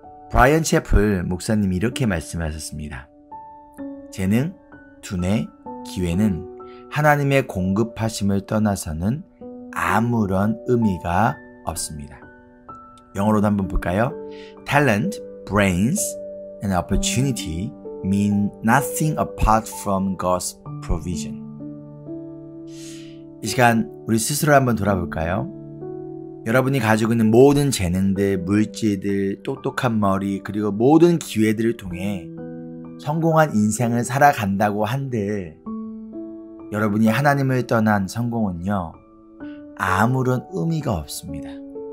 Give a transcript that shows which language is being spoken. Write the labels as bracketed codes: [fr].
[ko] 브라이언 채플 목사님이 이렇게 말씀하셨습니다. 재능, 두뇌, 기회는 하나님의 공급하심을 떠나서는 아무런 의미가 없습니다. 영어로도 한번 볼까요? [en] Talent, brains, and opportunity mean nothing apart from God's provision. [ko] 이 시간 우리 스스로 한번 돌아볼까요? 여러분이 가지고 있는 모든 재능들, 물질들, 똑똑한 머리, 그리고 모든 기회들을 통해 성공한 인생을 살아간다고 한들 여러분이 하나님을 떠난 성공은요, 아무런 의미가 없습니다.